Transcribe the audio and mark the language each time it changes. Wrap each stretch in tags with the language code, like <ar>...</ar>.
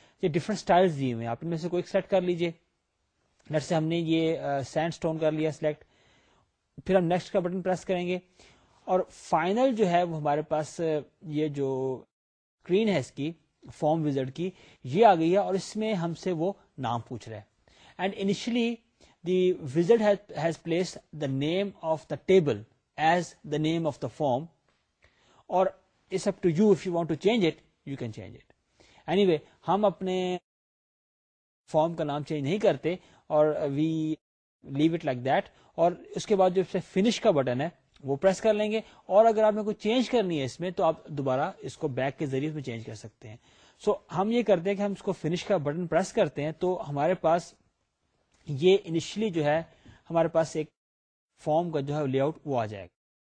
<ur>یہ different styles دیے ہوئے ہیں, آپ ان میں سے کوئی ایک سلیکٹ کر لیجئے. نیٹ سے ہم نے یہ سینڈ سٹون کر لیا سلیکٹ, پھر ہم نیکسٹ کا بٹن پریس کریں گے اور فائنل جو ہے وہ ہمارے پاس یہ جو اسکرین ہے اس کی فارم وزارڈ کی یہ آ گئی ہے اور اس میں ہم سے وہ نام پوچھ رہا ہے.</ur> <en>And initially the wizard has place the name of the table as the name of the form اور it's up to you, if you want to change it you can change it.</en> <ur>Any way ہم اپنے form کا نام change نہیں کرتے اور</ur> <en>we leave it like that,</en> <ur>اور اس کے بعد جو فنش کا بٹن ہے وہ پریس کر لیں گے, اور اگر آپ نے کوئی چینج کرنی ہے اس میں تو آپ دوبارہ اس کو بیک کے ذریعے اس میں چینج کر سکتے ہیں. سو ہم یہ کرتے ہیں کہ ہم اس کو فنش کا بٹن پریس کرتے ہیں تو ہمارے پاس یہ انیشلی جو ہے ہمارے پاس ایک فارم کا جو ہے لے آؤٹ وہ آ جائے گا.</ur>